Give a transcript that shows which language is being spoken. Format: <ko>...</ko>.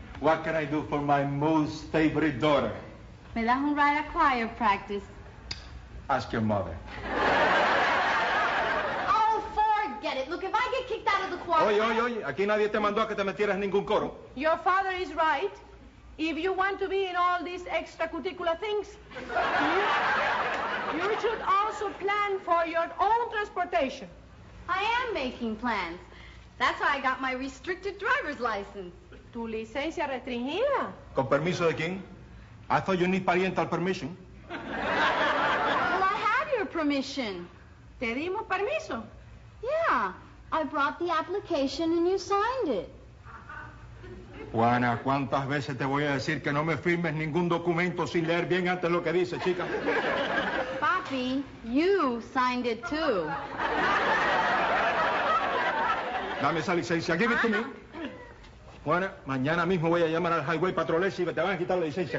<en>What can I do for my most favorite daughter?</en> <es>Me das un ride a</es> <en>choir practice. Ask your mother. Oh, forget it. Look, if I get kicked out of the choir...</en> <es>Oye, aquí nadie te mandó a que te metieras en ningún coro.</es> <en>Your father is right. If you want to be in all these extracurricular things, you should also plan for your own transportation. I am making plans. That's why I got my restricted driver's license.</en> <es>Tu licencia restringida. ¿Con permiso de quién?</es> <en>I thought you need parental permission. Permission.</en> <es>¿Te dimos permiso?</es> <en>Yeah. I brought the application and you signed it.</en> <es>Juana, ¿cuántas veces te voy a decir que no me firmes ningún documento sin leer bien antes lo que dice, chica?</es> <en>Papi, you signed it too.</en> <es>Dame esa licencia.</es> <en>Give it to me.</en> <es>Juana, mañana mismo voy a llamar al Highway Patrol y te van a quitar la licencia.</es>